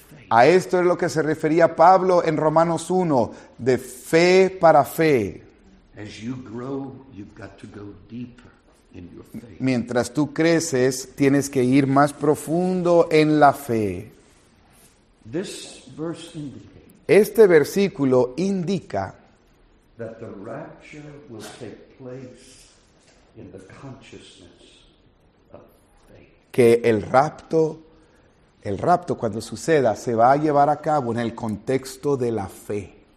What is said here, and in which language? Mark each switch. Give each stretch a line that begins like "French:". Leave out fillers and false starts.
Spanish: A esto es lo que se refería Pablo en Romanos 1, de fe para fe.
English: As you grow, you've got to go deeper.
Spanish: Mientras tú creces, tienes que ir más profundo en la fe.
English: This verse indicates,
Spanish: este versículo indica
English: that the rapture will take place in the consciousness
Spanish: que el rapto cuando suceda, se va a llevar a cabo en el contexto de la fe.